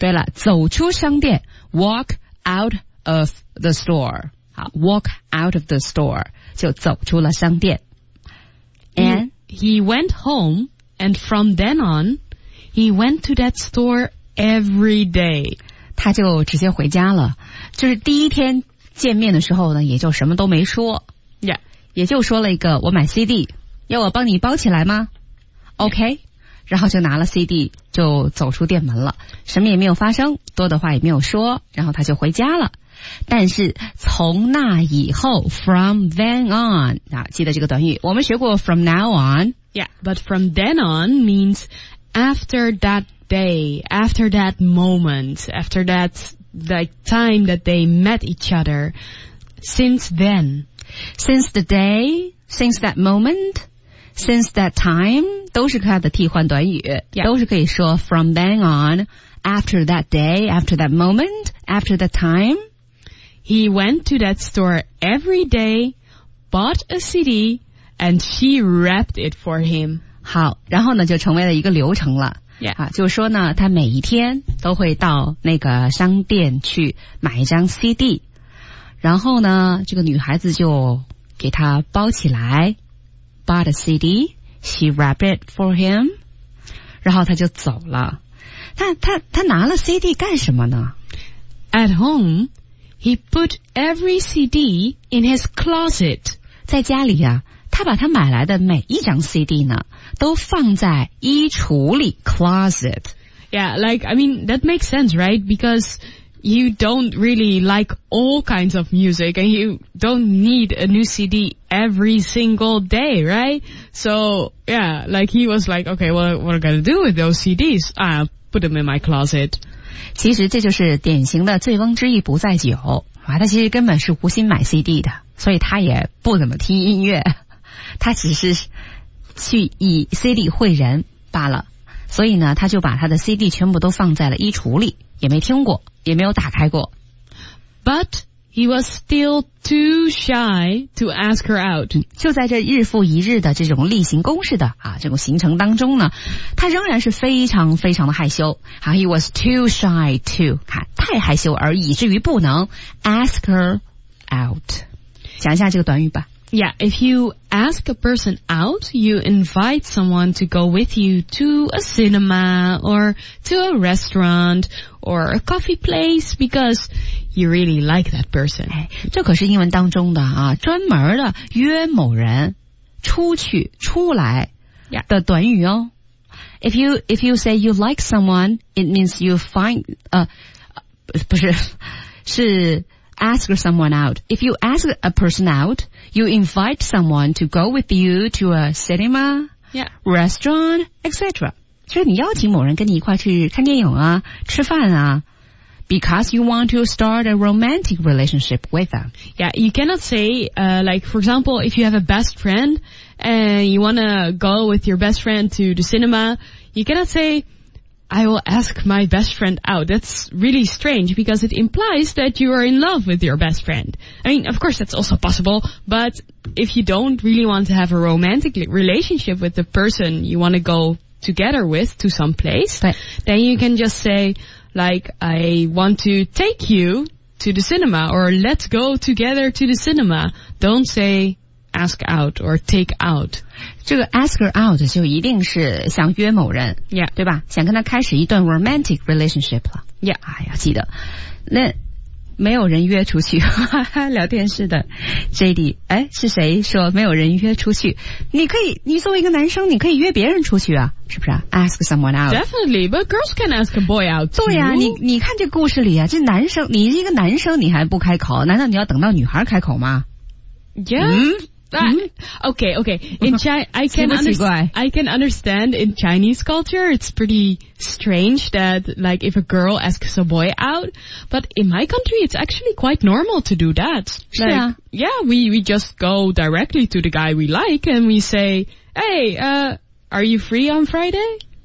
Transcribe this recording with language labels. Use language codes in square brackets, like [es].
[zh] 对了，走出商店 ， [en] walk out of the store. 好 ，walk out of the store [zh] 就走出了商店。 [en] And he went home, and from then on, he went to that store every day. [zh] 他就直接回家了。就是第一天见面的时候呢，也就什么都没说。 [en] Yeah. [zh] 也就说了一个我买 CD 要我帮你包起来吗 OK 然后就拿了 CD 就走出店门了什么也没有发生多的话也没有说然后他就回家了但是从那以后 [en] from then on [zh] 啊，记得这个短语我们学过 [en] from now on Yeah, but from then on means after that day after that moment after that like, time that they met each other since then Since the day, since that moment, since that time, [zh] 都是它的替换短语、 [en] yeah. [zh] 都是可以说 [en] from then on, after that day, after that moment, after that time. He went to that store every day, bought a CD, and she wrapped it for him. [zh] 好然后呢就成为了一个流程了、 [en] yeah. [zh] 啊、就是说呢他每一天都会到那个商店去买一张 CD。然后呢这个女孩子就给她包起来 [en] bought a CD, she wrapped it for him, [zh] 然后她就走了。她拿了 CD 干什么呢 [en] ?At home, he put every CD in his closet. [zh] 在家里啊她把她买来的每一张 CD 呢都放在衣橱里 closet. [en] Yeah, like, I mean, that makes sense, right? Because,You don't really like all kinds of music and you don't need a new CD every single day, right? So, yeah, like he was like, okay, well, what am I going to do with those CDs? I'll put them in my closet. [zh] 其实这就是典型的醉翁之意不在酒。啊、他其实根本是无心买 CD 的所以他也不怎么听音乐。他只是去以 CD 会人罢了。所以呢他就把他的 CD 全部都放在了衣橱里也没听过。也没有打开过 [en] But he was still too shy to ask her out [zh] 就在这日复一日的这种例行公事的啊，这种行程当中呢他仍然是非常非常的害羞 [en] He was too shy to [zh] 太害羞而以至于不能 [en] ask her out [zh] 讲一下这个短语吧 [en] Yeah, if you ask a person out you invite someone to go with you to a cinema or to a restaurantor a coffee place because you really like that person、 [zh] 哎、这可是英文当中的啊专门的约某人出去出来的短语哦、 [en] yeah. if you say you like someone it means you find [zh] 不是，是 [en] ask someone out. If you ask a person out, you invite someone to go with you to a cinema, yeah, restaurant, etc. [zh] 就是你邀请某人跟你一块去看电影啊，吃饭啊。 [en] Because you want to start a romantic relationship with them. Yeah, you cannot say, like, for example, if you have a best friend and you want to go with your best friend to the cinema, you cannot say, I will ask my best friend out. That's really strange because it implies that you are in love with your best friend. I mean, of course, that's also possible. But if you don't really want to have a romantic relationship with the person you want to go together with to some place, then you can just say,Like, I want to take you to the cinema, or let's go together to the cinema. Don't say ask out or take out. [zh] 这个 [en] ask her out [zh] 就一定是想约某人。 [en] Yeah. [zh] 对吧？想跟他开始一段 [en] romantic relationship [zh] 了。 [en] Yeah. [zh] 哎呀，记得。那没有人约出去聊天室的 JD, 哎，是谁说没有人约出去？你可以，你作为一个男生，你可以约别人出去啊，是不是啊 ？ [en] Ask someone out. Definitely, but girls can ask a boy out too. [zh] 对呀、啊，你看这故事里啊，这男生，你一个男生，你还不开口，难道你要等到女孩开口吗 [en] ？Yeah.、嗯 okay, okay. In China, I can understand in Chinese culture, it's pretty strange that, like, if a girl asks a boy out, but in my country, it's actually quite normal to do that. Like, yeah, we just go directly to the guy we like and we say, hey, are you free on Friday?